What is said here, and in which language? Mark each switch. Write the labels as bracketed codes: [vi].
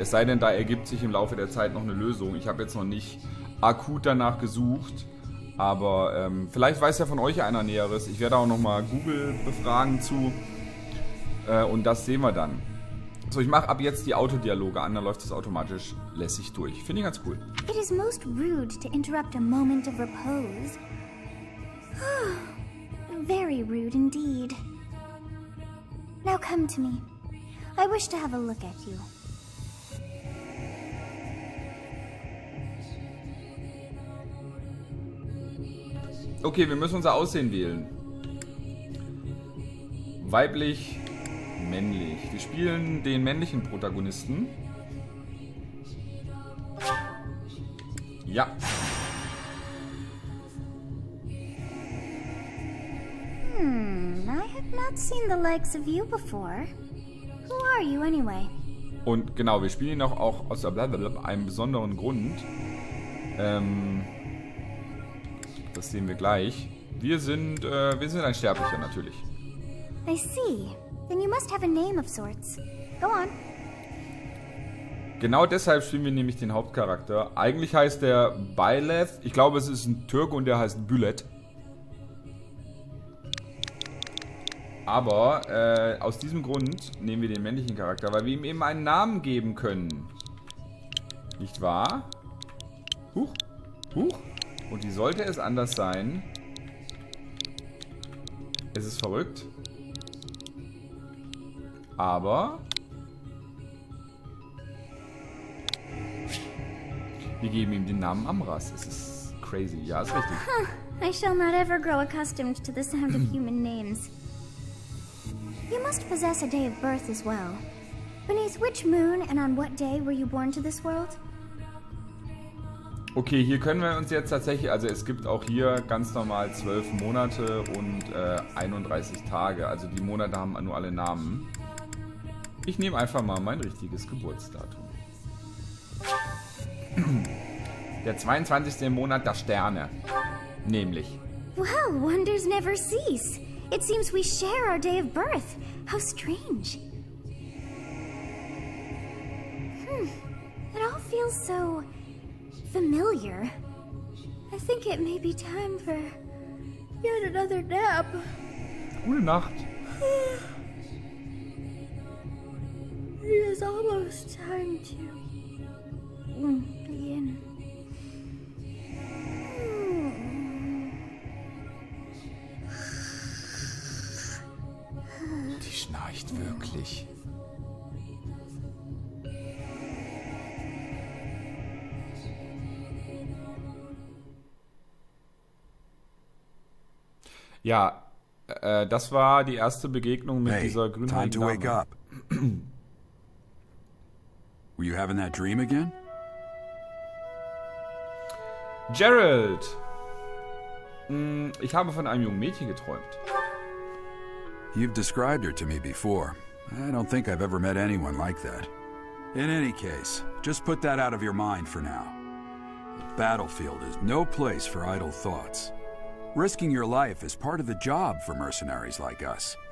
[de] Es sei denn, da ergibt sich im Laufe der Zeit noch eine Lösung. Ich habe jetzt noch nicht akut danach gesucht, aber vielleicht weiß ja von euch einer Näheres. Ich werde auch nochmal Google befragen zu und das sehen wir dann. So, ich mache ab jetzt die Autodialoge an, dann läuft es automatisch lässig durch. Finde ich ganz cool. [en] It is most rude to interrupt a moment of repose. Very rude indeed. Now come to me. I wish to have a look at you. [de] Okay, wir müssen unser Aussehen wählen. Weiblich. Männlich. Wir spielen den männlichen Protagonisten. Ja. [en] I have not seen the likes of you before. Who are you anyway? [de] Und genau, wir spielen noch auch aus einem besonderen Grund. Das sehen wir gleich. Wir sind ein Sterblicher natürlich. [en] I see. Then you must have a name of sorts. Go on. [de] Genau deshalb spielen wir nämlich den Hauptcharakter. Eigentlich heißt er Byleth. Ich glaube, es ist ein Türke und der heißt Bülent. Aber aus diesem Grund nehmen wir den männlichen Charakter, weil wir ihm eben einen Namen geben können. Nicht wahr? Huch. Huch. Und wie sollte es anders sein? Es ist verrückt. Aber wir geben ihm den Namen Amras. Es ist crazy. Ja, ist richtig. [en] I shall not ever grow accustomed to the sound of human names. You must possess a day of birth as well. Beneath which moon and on what day were you born to this world? [de] Okay, hier können wir uns jetzt tatsächlich, also es gibt auch hier ganz normal 12 Monate und 31 Tage. Also die Monate haben nur alle Namen. Ich nehme einfach mal mein richtiges Geburtsdatum. Der 22. im Monat der Sterne. Nämlich. [en] Well, wonders never cease. It seems we share our day of birth. How strange. It all feels so familiar. I think it may be time for yet another nap. [de] Gute Nacht. [en] It is almost time to begin. [de] Die schnarcht wirklich. Ja, das war die erste Begegnung mit dieser grünen Dame. [en] Hey, time to wake up. Were you having that dream again? Gerald! [de] Ich habe von einem jungen Mädchen geträumt. [en] You've described her to me before. I don't think I've ever met anyone like that. In any case, just put that out of your mind for now. The battlefield is no place for idle thoughts. Risking your life is part of the job for mercenaries like us.